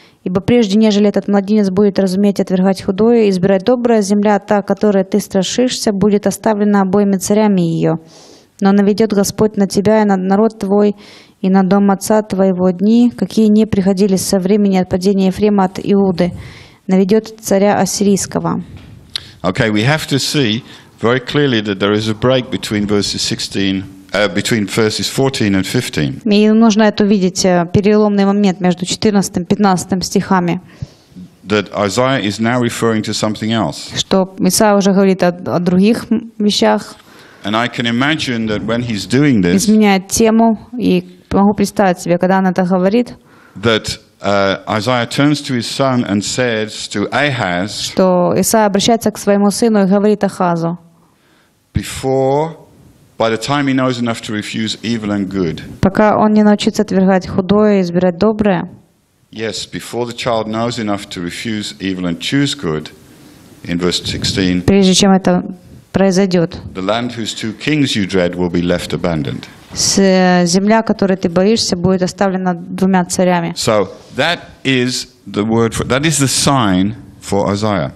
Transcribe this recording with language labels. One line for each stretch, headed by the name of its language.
Russian: Ибо прежде, нежели этот младенец будет разуметь отвергать худое и избирать доброе, земля та, которой ты страшишься, будет оставлена обоими царями ее. Но наведет Господь на тебя и на народ твой, и на дом отца твоего дни, какие не приходили со времени отпадения Ефрема от Иуды. Наведет царя ассирийского.
English: Okay, we have to see very clearly that there is a break between verses 14 and 15.
Russian: И нужно это видеть, переломный момент между 14 и 15 стихами.
English: That Isaiah is now referring to something else.
Russian: Что Исаия уже говорит о других вещах.
English: And I can imagine that when he's doing this.
Russian: Изменяет тему, и могу представить себе, когда он это говорит.
English: That Isaiah turns to his son and says to Ahaz.
Russian: Что Исаия обращается к своему сыну и говорит Ахазу.
English: Before, by the time he knows enough to refuse evil and good.
Russian: Пока он не научится отвергать худое и избирать доброе.
English: Yes, before the child knows enough to refuse evil and choose good, in verse 16.
Russian: Прежде чем это произойдет.
English: The land whose two kings you dread will be left abandoned.
Russian: Земля, которой ты боишься, будет оставлена двумя царями.
English: So that is the word for, that is the sign for Isaiah.